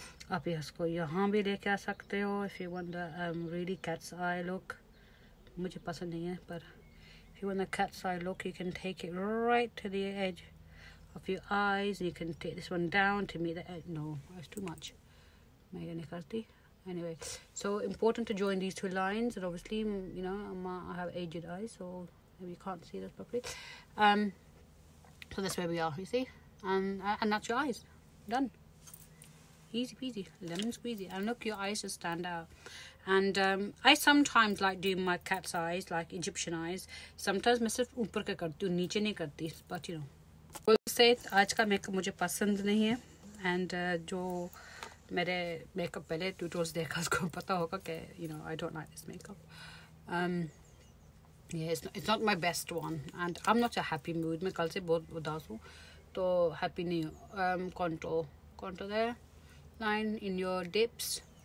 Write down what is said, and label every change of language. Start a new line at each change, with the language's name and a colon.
Hindi: आप इसको यहाँ भी लेके आ सकते हो
English: if you want the really cat's eye look.
Hindi: मुझे पसंद नहीं है पर
English: if you want the cat's eye look, you can take it right to the edge of your eyes. You can take this one down to meet the edge. No, that's too much.
Hindi: मैं ये नहीं करती.
English: Anyway, so important to join these two lines, and obviously, you know, I have aged eyes, so maybe you can't see this properly. So that's where we are, you see, and that's your eyes, done. Easy peasy, lemon squeezy, and look, your eyes just stand out. And I sometimes like doing my cat's eyes, like Egyptian eyes. Sometimes I just upper
Hindi: ke karti hu, niche nahi karti,
English: but you know. Well, say,
Hindi: aaj ka makeup mujhe pasand nahi hai, and jo मेरे makeup पहले tutorials देखा उसको पता होगा कि
English: you know I don't like this makeup या it's not my best one
Hindi: and I am not a happy mood मैं कल से बहुत उदास हूँ तो हैप्पी नहीं हूँ contour there line in your dips